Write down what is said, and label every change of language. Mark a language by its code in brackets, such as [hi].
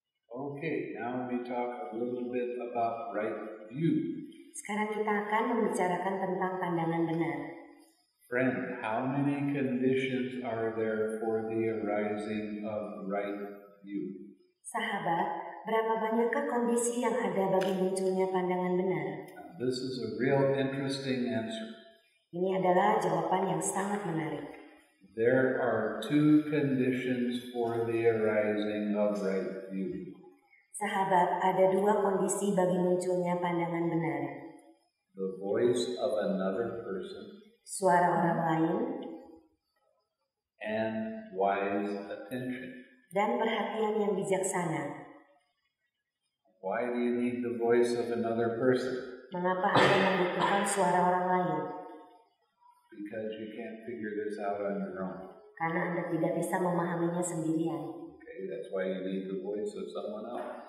[en] Okay, now we talk a little bit about right view. [id] Sekarang kita akan membicarakan tentang pandangan benar. [en] Friend, how many conditions are there for the arising of right view? [id] Sahabat, berapa banyakkah kondisi yang ada bagi munculnya pandangan benar? [en] This is a real interesting answer. [id] Ini adalah jawaban yang sangat menarik. [en] There are two conditions for the arising of right view. [id] Sahabat, ada dua kondisi bagi munculnya pandangan benar. [en] The voice of another person. [id] Suara orang lain. [en] And wise attention. [id] Dan perhatian yang bijaksana. [en] Why do you need the voice of another person? [id] Mengapa Anda membutuhkan suara orang lain? [en] Because you can't figure this out on your own. [id] Karena Anda tidak bisa memahaminya sendirian. [en] Okay, that's why you need the voice of someone else.